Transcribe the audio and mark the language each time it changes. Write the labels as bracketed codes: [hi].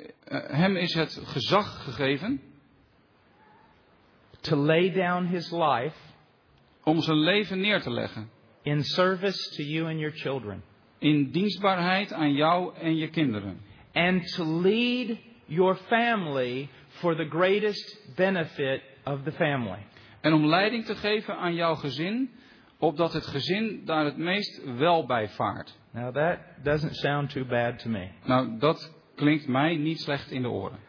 [nl] Hem is het gezag gegeven. [en] To lay down his life. [nl] Om zijn leven neer te leggen. [en] In service to you and your children. [nl] In dienstbaarheid aan jou en je kinderen. [en] And to lead your family for the greatest benefit of the family. [nl] En om leiding te geven aan jouw gezin, opdat het gezin daar het meest wel bij vaart. [en] Now that doesn't sound too bad to me. [nl] Nou, dat klinkt mij niet slecht in de oren.